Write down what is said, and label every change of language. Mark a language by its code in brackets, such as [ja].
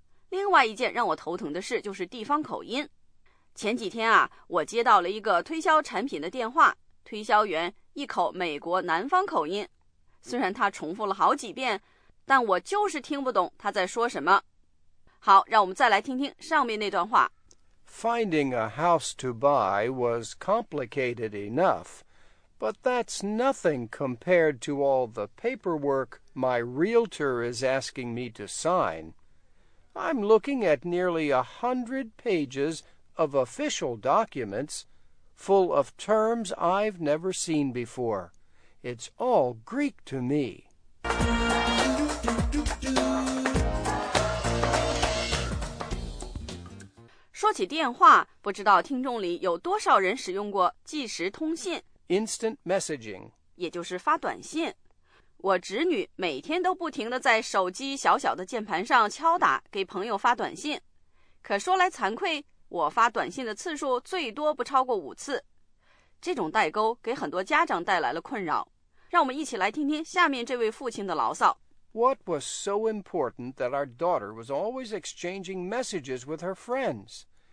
[zh] 另外一件让我头疼的事就是地方口音。前几天啊，我接到了一个推销产品的电话，推销员一口美国南方口音，虽然他重复了好几遍，但我就是听不懂他在说什么。好，让我们再来听听上面那段话。 [en] Finding a house to buy was complicated enough, but that's nothing compared to all the paperwork my realtor is asking me to sign. I'm looking at nearly 100 pages of official documents full of terms I've never seen before. It's all Greek to me. [zh] 说起电话，不知道听众里有多少人使用过即时通信 [en] Instant messaging， [zh] 也就是发短信。我侄女每天都不停地在手机小小的键盘上敲打给朋友发短信，可说来惭愧，我发短信的次数最多不超过5次。这种代沟给很多家长带来了困扰，让我们一起来听听下面这位父亲的牢骚。 [en] What was so important that our daughter was always exchanging messages with her friends?